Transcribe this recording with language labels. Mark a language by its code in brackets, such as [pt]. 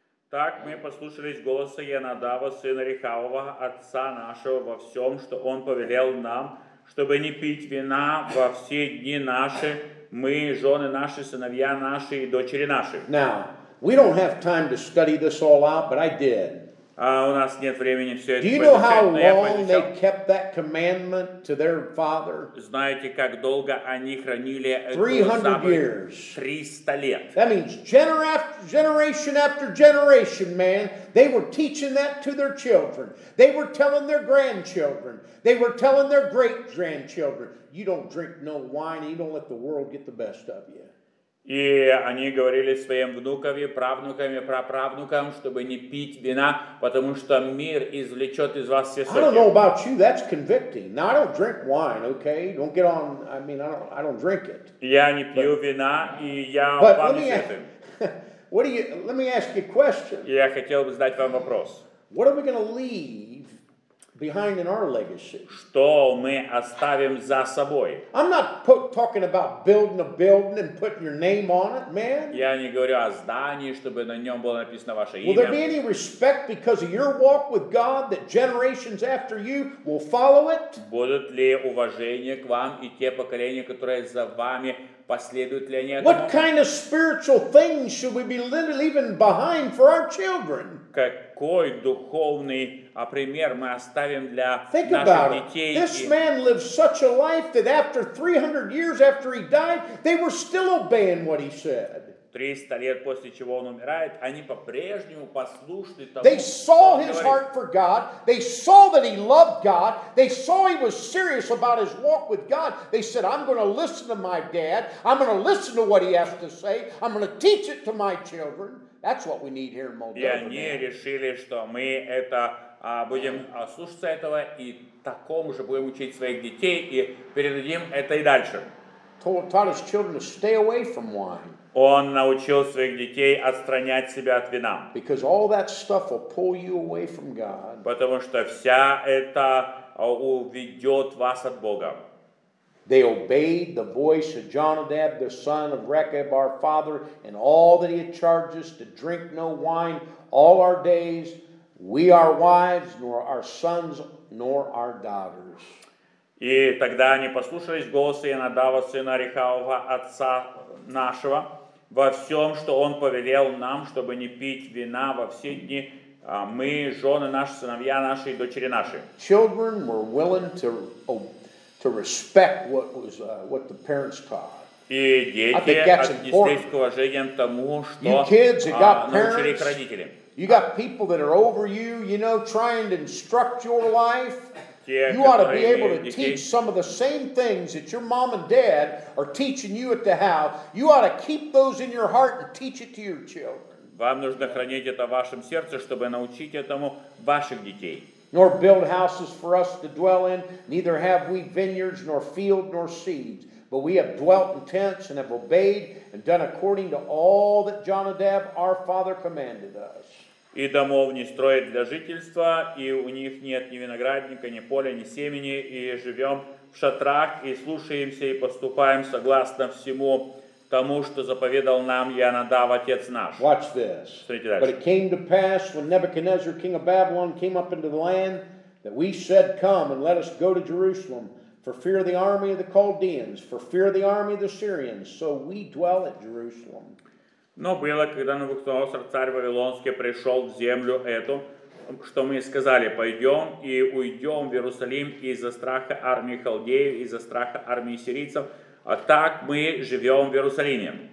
[ru] Так мы послушались голоса Ионадава, сына Рехавова, отца нашего, во всем, что он повелел нам, чтобы не пить вина во все дни наши, мы, жены наши, сыновья наши и дочери наши. [en] Now, we don't have time to study this all out, but I did. [ru] У нас нет времени все это [en] Do you know how long they kept that commandment to their father? [ru] Знаете, как долго они хранили эту заповедь? [en] 300 years. [ru] 300 лет. [en] That means generation after generation, man, they were teaching that to their children. They were telling their grandchildren. They were telling their great-grandchildren. You don't drink no wine, you don't let the world get the best of you. [ru] И они говорили своим внукам, правнукам и праправнукам, чтобы не пить вина, потому что мир извлечет из вас все соки. [en] I don't know about you, that's convicting. Now, I don't drink wine, okay? Don't get on, I mean, I don't drink it. [ru] Я не пью вина, и я упаду с этим. [en] Let me ask you a question. [ru] Я хотел бы задать вам вопрос. [en] What are we going to leave behind in our legacy? [ru] Что мы оставим за собой? [en] I'm not talking about building a building and putting your name on it, man. [ru] Я не говорю о здании, чтобы на нем было написано ваше имя. [en] Will there be any respect because of your walk with God that generations after you will follow it? [ru] Будут ли уважение к вам и те поколения, которые за вами последуют ли они этому? [en] What kind of spiritual things should we be leaving behind for our children? [ru] Какой духовный пример мы оставим для наших детей? [en] Think about it. This man lived such a life that after 300 years after he died, they were still obeying what he said. [ru] 300 лет после чего он умирает, они по-прежнему послушны тому. [en] They saw his heart for God. They saw that he loved God. They saw he was serious about his walk with God. They said, "I'm going to listen to my dad. I'm going to listen to what he has to say. I'm going to teach it to my children." That's what we need here in Moldova. [ru] И они решили, что мы это будем слушаться этого и такому же будем учить своих детей и передадим это и дальше. [en] Taught his children to stay away from wine. [ru] Он научил своих детей отстранять себя от вина. [en] Because all that stuff will pull you away from God. [ru] Потому что вся это уведет вас от Бога. [en] They obeyed the voice of Jonadab, the son of Rechab, our father, and all that he had charged us to drink no wine all our days. We our wives, nor our sons, nor our daughters. [ru] И тогда они послушались голоса Ионадава, сына Рехава, отца нашего, во всем, что он повелел нам, чтобы не пить вина во все дни, мы, жены наши, сыновья наши и дочери наши. [en] Children were willing to respect what was what the parents taught. [ru] И дети отнеслись к уважением тому, что научили их родители. [en] You got people that are over you, you know, trying to instruct your life. You ought to be able to teach some of the same things that your mom and dad are teaching you at the house. You ought to keep those in your heart and teach it to your children. [ru] Вам нужно хранить это в вашем сердце, чтобы научить этому ваших детей. [en] Nor build houses for us to dwell in, neither have we vineyards nor field nor seeds. But we have dwelt in tents and have obeyed and done according to all that Jonadab our father commanded us. [ru] И домов не строят для жительства, и у них нет ни виноградника, ни поля, ни семени, и живем в шатрах, и слушаемся, и поступаем согласно всему тому, что заповедал нам Ионадав, отец наш. [en] Watch this. [ru] Смотрите дальше. [en] But it came to pass, when Nebuchadnezzar, king of Babylon, came up into the land, that we said, come, and let us go to Jerusalem, for fear of the army of the Chaldeans, for fear of the army of the Syrians, so we dwell at Jerusalем. [ru] Но было, когда Навуходоносор, царь Вавилонский, пришел в землю эту, что мы сказали, пойдем и уйдем в Иерусалим из-за страха армии халдеев, из-за страха армии сирийцев, а так мы живем в Иерусалиме.